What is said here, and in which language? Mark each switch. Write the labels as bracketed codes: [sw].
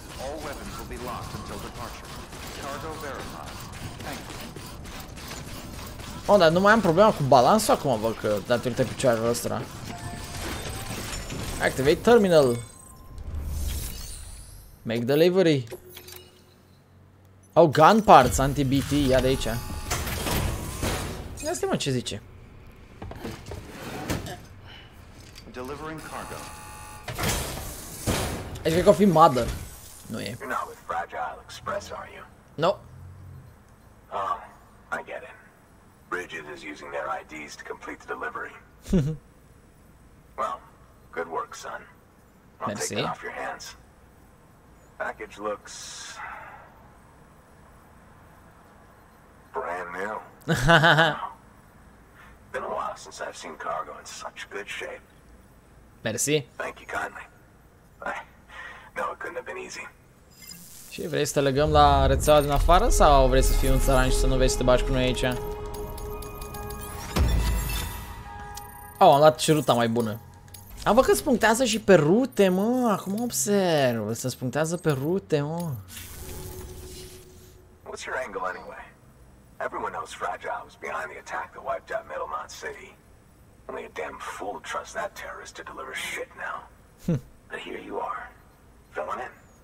[en] All weapons will be locked until departure. Cargo verified. Thank you. [ro] Oh, dar nu mai am problema cu balansul acum, bă, că datorită picioarelor ăsta. [en] Activate terminal. Make delivery. [ro] Au gun parts, anti-BT, ia de aici. Ia stai, mă, ce zice. [en] Delivering cargo. [ro] Aici cred că o fi mother. Nu e. [en] You're not with Fragile Express, are you? No. Oh, I get it. Bridget is using their IDs to complete the delivery. Well, good work, son. I'll [ro] merci. [en] Take it off your hands. Package looks brand new. Been a while since I've seen cargo in such good shape. [ro] Merci. [en] Thank you kindly. No, it couldn't have been easy. [ro] Și vrei să te legăm la rețeaua din afară sau vrei să fii un țăran și să nu vezi să te bagi cu noi aici? Oh, am luat și ruta mai bună. Am văzut că se punctează și pe rute, mă. Acum observ. Se punctează pe rute, mă. [en] What's your angle anyway? Everyone knows Fragile was behind the attack that wiped out Middlemont City. Only a damn fool trusts that terrorist to deliver shit now. But here you are, filling in.